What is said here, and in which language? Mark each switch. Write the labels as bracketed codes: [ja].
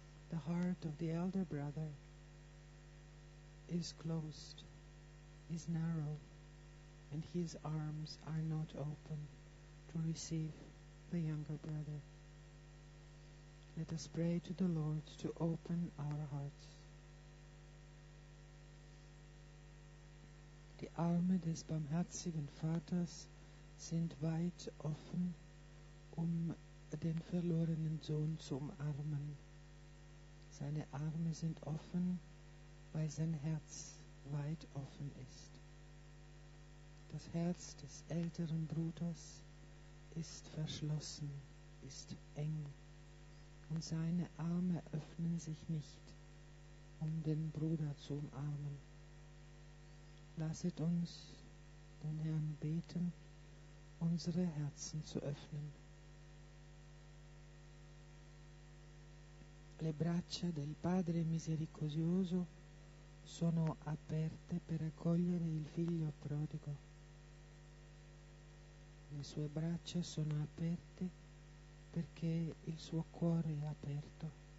[en] The heart of the elder brother is closed, is narrow, and his arms are not open to receive the younger brother. Let us pray to the Lord to open our hearts. [de] Die Arme des barmherzigen Vaters sind weit offen, um den verlorenen Sohn zu umarmen. Seine Arme sind offen, weil sein Herz weit offen ist. Das Herz des älteren Bruders ist verschlossen, ist eng, und seine Arme öffnen sich nicht, um den Bruder zu umarmen. Lasset uns den Herrn beten, unsere Herzen zu öffnen. [it] Le braccia del Padre misericordioso sono aperte per accogliere il figlio prodigo. Le sue braccia sono aperte perché il suo cuore è aperto.